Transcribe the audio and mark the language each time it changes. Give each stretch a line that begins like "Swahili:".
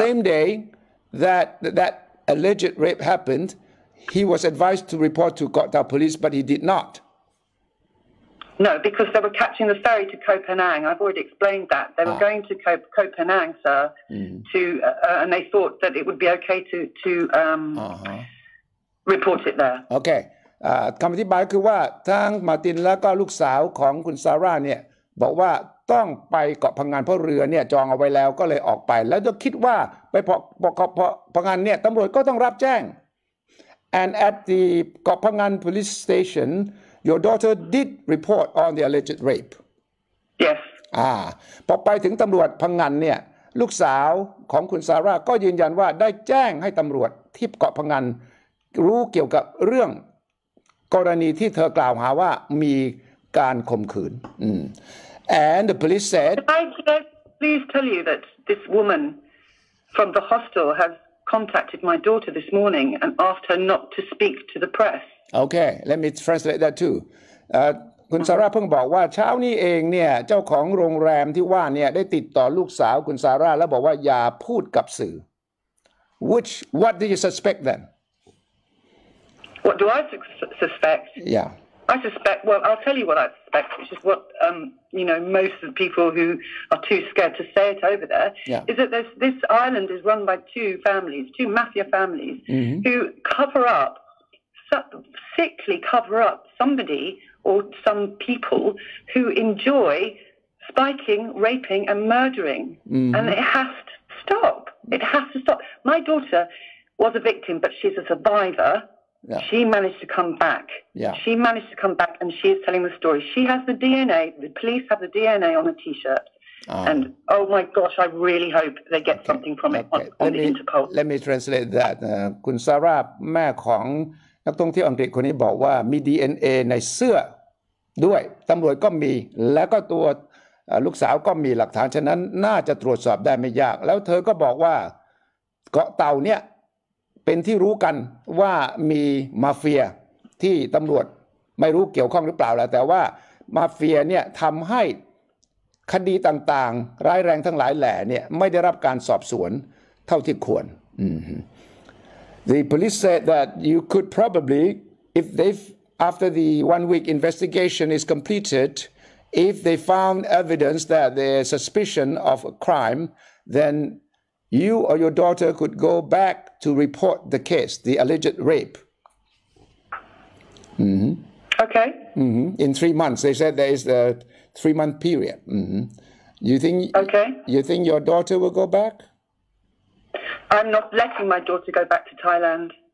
English: same day that alleged rape happened, he was advised to report to Koh Tao police, but he did not. No, because they were catching the ferry to Koh Penang. I've already explained that. They were going to Koh Penang, sir, mm-hmm. to, and they thought that it would be okay to uh-huh. report it there. Okay.
Thai: คำอธิบายคือว่าทั้งมาร์ตินแล้วก็ลูกสาวของคุณซาร่าเนี่ยบอกว่าต้องไปเกาะพังงานเพราะเรือเนี่ยจองเอาไว้แล้วก็เลยออกไปแล้วก็คิดว่าไปพังงานเนี่ยตำรวจก็ต้องรับแจ้ง
English: and at the เกาะพังงาน police station your daughter did report on the alleged rape yes
Thai: พอไปถึงตำรวจพังงานเนี่ยลูกสาวของคุณซาร่าก็ยืนยันว่าได้แจ้งให้ตำรวจที่เกาะพังงานรู้เกี่ยวกับเรื่องกรณีที่เธอกล่าวหาว่ามีการข่มขืน
English: and the police said please tell you that this woman from the hostel has contacted my daughter this morning and asked her not to speak to the press okay let me translate that too
Thai: คุณซาร่าเพิ่งบอกว่าเช้านี้เองเนี่ยเจ้าของโรงแรมที่ว่าเนี่ยได้ติดต่อลูกสาวคุณซาร่าแล้วบอกว่าอย่าพูดกับสื่อ
English: which what do you suspect then What do I suspect? Yeah. I suspect, well, I'll tell you what I suspect, which is what, you know, most of the people who are too scared to say it over there, yeah. is that this island is run by two families, two mafia families, mm-hmm. who cover up, sickly cover up somebody or some people who enjoy spiking, raping and murdering. Mm-hmm. And it has to stop. It has to stop. My daughter was a victim, but she's a survivor. Yeah. She managed to come back. Yeah. She managed to come back, and she is telling the story. She has the DNA. The police have the DNA on a T-shirt. And, oh, my gosh, I really hope they get okay. something from okay. it on the Interpol. Let me translate that.
Thai: คุณซาร่าแม่ของนักท่องเที่ยวอังกฤษคนนี้บอกว่ามี DNA ในเสื้อด้วยตำรวจก็มีแล้วก็ตัวลูกสาวก็มีหลักฐานฉะนั้นน่าจะตรวจสอบได้ไม่ยากแล้วเธอก็บอกว่าเกาะเต่าเนี่ยเป็นที่รู้กันว่ามีมาเฟียที่ตำรวจไม่รู้เกี่ยวข้องหรือเปล่าแหละแต่ว่ามาเฟียเนี่ยทำให้ คดีต่างๆร้ายแรงทั้งหลายแหล่เนี่ยไม่ได้รับการสอบสวนเท่าที่ควร
English: The police said that you could probably if they after the 1 week investigation is completed if they found evidence that there's suspicion of a crime thenYou or your daughter could go back to report the case, the alleged rape. Mm-hmm. Okay. Mm-hmm. In 3 months, they said there is a 3 month period. Mm-hmm. You think your daughter will go back? I'm not letting my daughter go back to Thailand.